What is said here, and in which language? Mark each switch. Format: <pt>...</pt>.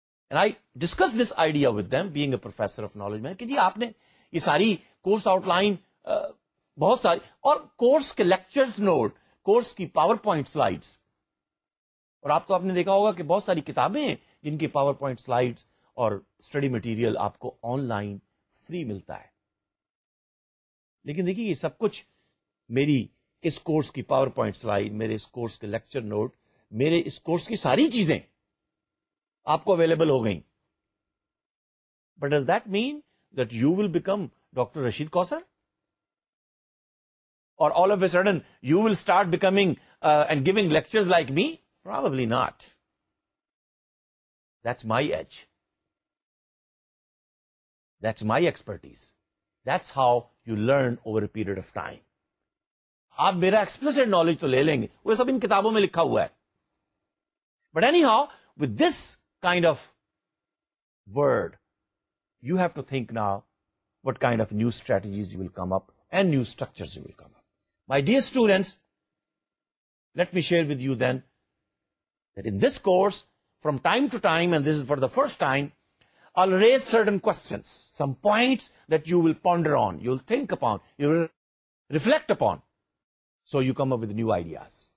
<en>And I discussed this idea with them, being a professor of knowledge. I said, you have all the course outline, and course lectures note, course PowerPoint slides. And you have seen that there are many books whose PowerPoint slides and study material you get online free.</en> <ur>لیکن دیکھیے یہ سب کچھ میری اس course کی power point slide, میرے اس course کے lecture note, میرے اس course کی ساری چیزیں آپ کو اویلیبل ہو گئیں.</ur> <en>But does that mean that you will become doctor Rashid Kausar اور all of a sudden you will start becoming and giving lectures like me? Probably not. That's my age, that's my expertise, that's how you learn over a period of time.</en> <ur>آپ میرا explicit knowledge تو لے لیں گے، وہ سب ان کتابوں میں لکھا ہوا ہے.</ur> <en>But anyhow, with this kind of word, you have to think now what kind of new strategies you will come up and new structures you will come up. My dear students, let me share with you then that in this course, from time to time, and this is for the first time, I'll raise certain questions, some points that you will ponder on, you'll think upon, you'll reflect upon, so you come up with new ideas.</en>